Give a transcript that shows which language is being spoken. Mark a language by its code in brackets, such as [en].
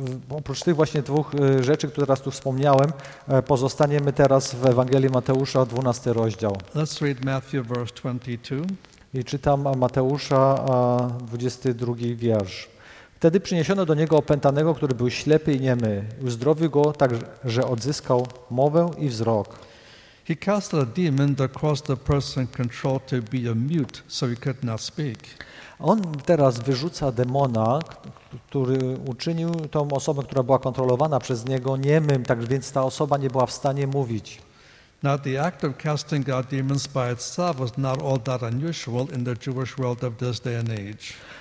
[pl] Oprócz tych właśnie dwóch rzeczy, które teraz tu wspomniałem, pozostaniemy teraz w Ewangelii Mateusza, 12 rozdział. [en] Let's read Matthew verse 22. [pl] I czytam Mateusza, 22 wiersz. Wtedy przyniesiono do niego opętanego, który był ślepy i niemy. Uzdrowił go tak, że odzyskał mowę i wzrok. [en] He cast a demon that caused the person controlled to be a mute, so he could not speak. [pl] On teraz wyrzuca demona, który uczynił tą osobę, która była kontrolowana przez niego, niemym, tak więc ta osoba nie była w stanie mówić. [en] Now the act of casting out demons by itself was not all that unusual in the Jewish world of this day and age.